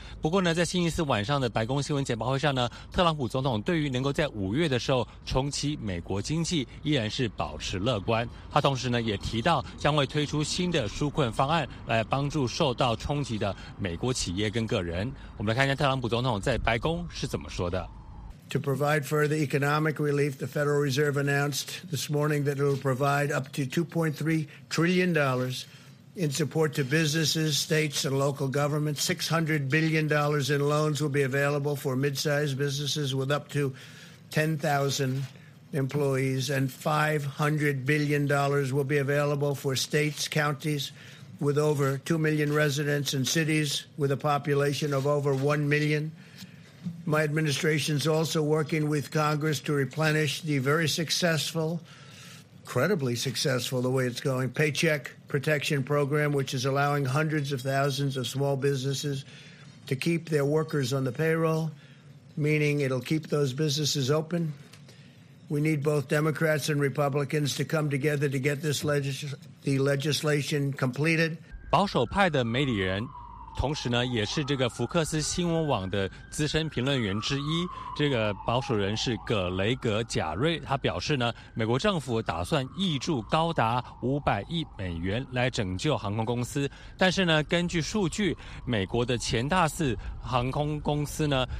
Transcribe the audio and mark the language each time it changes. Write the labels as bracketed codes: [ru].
[zh] 不过呢，在星期四晚上的白宫新闻简报会上呢，特朗普总统对于能够在5月的时候重启美国经济依然是保持乐观。他同时呢也提到将会推出新的纾困方案来帮助受到冲击的美国企业跟个人。我们来看一下特朗普总统在白宫是怎么说的。 [en] To provide further economic relief, the Federal Reserve announced this morning that it will provide up to $2.3 trillion in support to businesses, states, and local governments. $600 billion in loans will be available for mid-sized businesses with up to 10,000 employees, and $500 billion will be available for states, counties with over 2 million residents, and cities with a population of over 1 million. My administration is also working with Congress to replenish the very successful, incredibly successful, the way it's going, Paycheck Protection Program, which is allowing hundreds of thousands of small businesses to keep their workers on the payroll, meaning it'll keep those businesses open. We need both Democrats and Republicans to come together to get this legislation completed. [zh] 保守派的媒体人同时呢也是这个福克斯新闻网的资深评论员之一，这个保守人士葛雷格·贾瑞，他表示呢，美国政府打算挹注高达500亿美元来拯救航空公司，但是呢根据数据，美国的前大四航空公司呢，